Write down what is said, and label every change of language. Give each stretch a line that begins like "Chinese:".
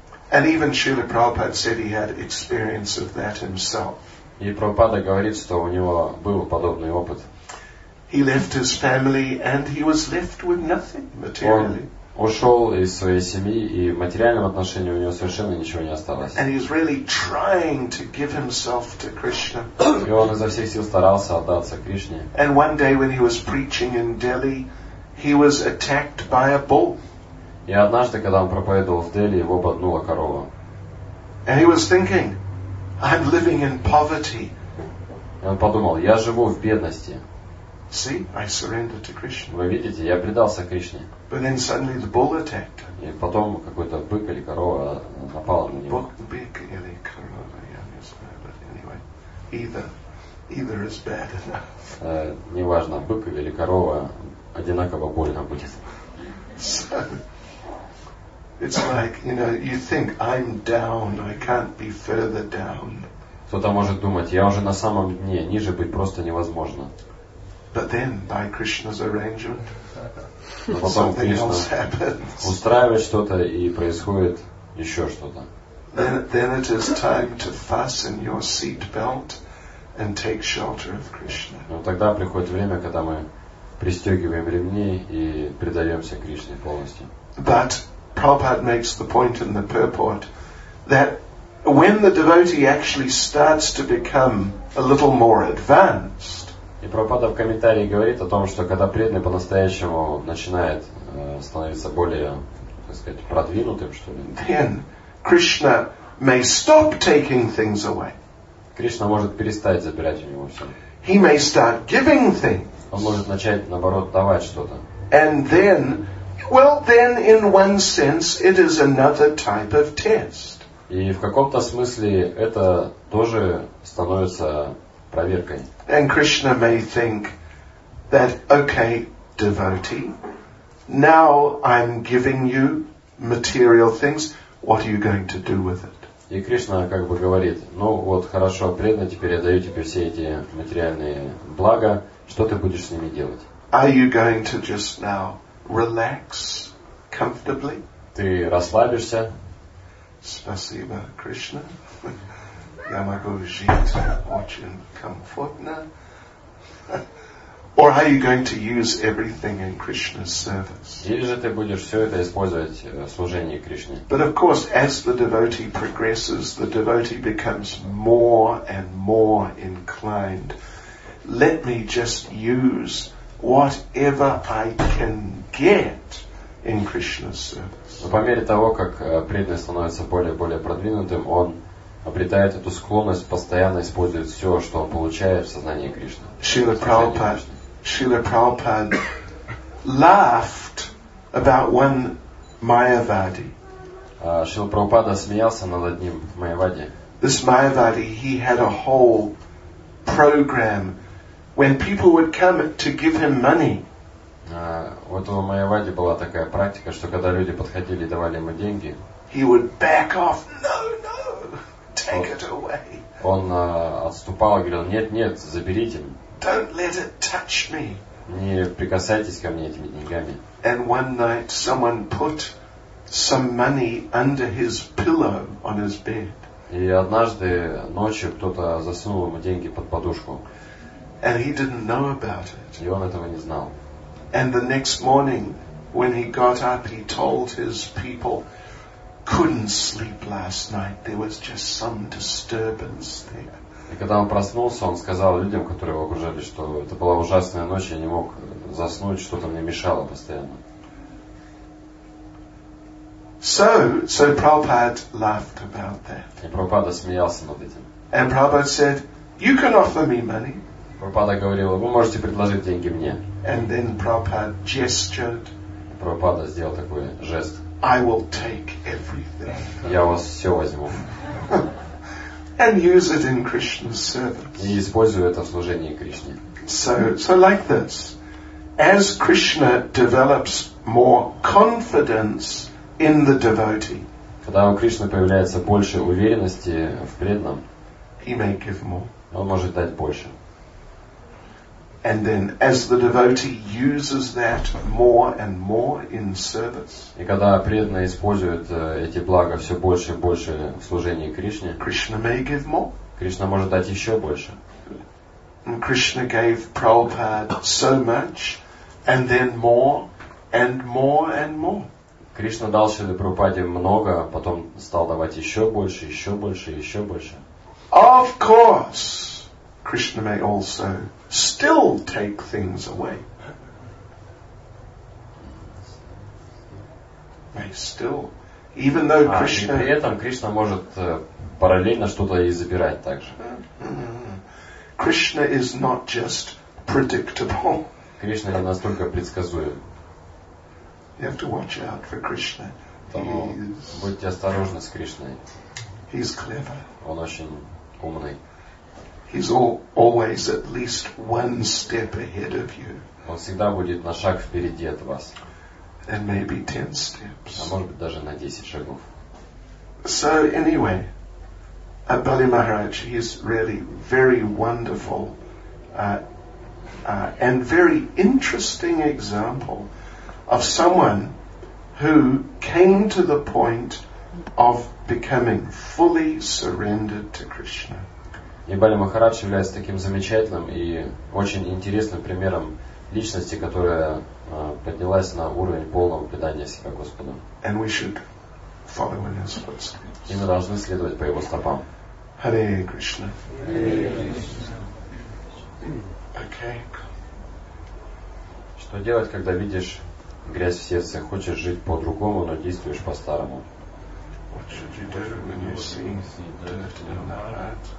English: And even Srila Prabhupada said he had experience of that himself.
Russian: И Прабхупада говорит, что у него был подобный опыт.
English: He left his family and he was left with nothing materially.
Russian: Ушел из своей семьи, и в материальном отношении у него совершенно ничего не осталось.
English: And he's really trying to give himself to Krishna.
Russian: И он изо всех сил старался отдаться Кришне.
English: And one day when he was preaching in Delhi, he was attacked by a bull.
Russian: И однажды, когда он проповедовал в Дели, его поднула корова.
English: And he was thinking, I'm living in poverty.
Russian: И он подумал, я живу в бедности.
English: See, I surrender to Krishna.
Russian: Вы видите, я предался Кришне.
English: But then suddenly the bull attacked.
Russian: И потом какой-то бык или корова напал на него. Бык или корова, я не знаю,
English: but anyway, either is bad enough.
Russian: Неважно, бык или корова, одинаково больно будет.
English: It's like, you know, you think I'm down, I can't be further down.
Russian: Кто-то может думать, я уже на самом дне, ниже быть просто невозможно.
English: But then, by Krishna's arrangement, something else happens.
Russian: Устраивает что-то и происходит еще что-то.
English: Then it is time to fasten your seat belt and take shelter of Krishna.
Russian: Но тогда приходит время, когда мы пристегиваем ремни и предаемся Кришне полностью.
English: But Prabhupada makes the point in the purport that when the devotee actually starts to become a little more advanced,
Russian: и Прабхупада в комментарии говорит о том, что когда преданный по-настоящему начинает становиться более, так сказать, продвинутым, что ли,
English: then Krishna may stop taking things away.
Russian: Кришна может перестать забирать у него все.
English: He may start giving things.
Russian: Он может начать, наоборот, давать что-то.
English: And then, well, then, in one sense, it is another type of test.
Russian: И в каком-то смысле это тоже становится проверкой.
English: And Krishna may think that, okay, devotee, now I'm giving you material things. What are you going to do with it?
Russian: И Кришна как бы говорит: ну вот хорошо, преданный, теперь я даю тебе все эти материальные блага. Что ты будешь с ними делать?
English: Are you going to just now relax comfortably?
Russian: Ты расслабишься? Спасибо, Кришна. Я могу жить очень комфортно.
English: Or are you going to use everything in Krishna's service?
Russian: Или же ты будешь все это использовать в служении Кришне?
English: But of course, as the devotee progresses, the devotee becomes more and more inclined. Let me just use whatever I can get in Krishna's service.
Russian: По мере того, как преданный становится более и более продвинутым, он обретает эту склонность постоянно использовать все, что он получает в сознании Кришны.
English: Srila Prabhupada laughed about one Mayavadi.
Russian: Srila Prabhupada смеялся над одним Mayavadi.
English: This Mayavadi, he had a whole program. When people would come to give him money,
Russian: у этого Mayavadi была такая практика, что когда люди подходили и давали ему деньги,
English: he would back off. No, no, take it away.
Russian: Он отступал и говорил: нет, нет, заберите.
English: Don't let it touch me.
Russian: Не прикасайтесь ко мне этими деньгами.
English: And one night someone put some money under his pillow on his bed.
Russian: И однажды ночью кто-то засунул ему деньги под подушку.
English: And he didn't know about it.
Russian: И он этого не знал.
English: And the next morning, when he got up, he told his people, couldn't sleep last night. There was just some disturbance there.
Russian: И когда он проснулся, он сказал людям, которые его окружали, что это была ужасная ночь, я не мог заснуть, что-то мне мешало постоянно.
English: So Prabhupada laughed about that.
Russian: И Прабхупада смеялся над этим.
English: And Prabhupada said, you can offer me money.
Russian: Прабхупада говорил: вы можете предложить деньги мне.
English: And then Prabhupada gestured.
Russian: Прабхупада сделал такой жест.
English: I will take everything.
Russian: Я у вас все возьму.
English: And use it in Krishna's service.
Russian: И использую это в служении Кришне.
English: So like this. As Krishna develops more confidence in the devotee,
Russian: когда у Кришны появляется больше уверенности в преданном,
English: he may give more.
Russian: Он может дать больше.
English: And then, as the devotee uses that more and more in service,
Russian: и когда преданный использует эти блага все больше и больше в служении Кришне,
English: Krishna may give more.
Russian: Кришна может дать еще больше.
English: Krishna gave Prabhupada so much, and then more, and more, and more.
Russian: Кришна дал Шриле Прабхупаде много, потом стал давать еще больше, еще больше, еще больше.
English: Of course, Krishna may also still take things away. May still, even though Krishna.
Russian: И при этом Кришна может параллельно что-то и забирать также.
English: Krishna is not just predictable.
Russian: Кришна не настолько предсказуем.
English: You have to watch out for Krishna.
Russian: Будьте осторожны с Кришной.
English: He's clever.
Russian: Он очень умный.
English: He's always at least one step ahead of you.
Russian: Он всегда будет на шаг впереди от вас.
English: And maybe 10 steps.
Russian: А может быть даже на 10 шагов.
English: So anyway, Bali Maharaj, he is really very wonderful and very interesting example of someone who came to the point of becoming fully surrendered to Krishna.
Russian: И Бали Махарадж является таким замечательным и очень интересным примером личности, которая поднялась на уровень полного предания себя Господу.
English: And we should follow in his footsteps.
Russian: И мы должны следовать по его стопам.
English: Hare Krishna. Hare Krishna. Okay.
Russian: Что делать, когда видишь грязь в сердце, хочешь жить по-другому, но действуешь по-старому?
English: What should you do when you see dirt in the heart?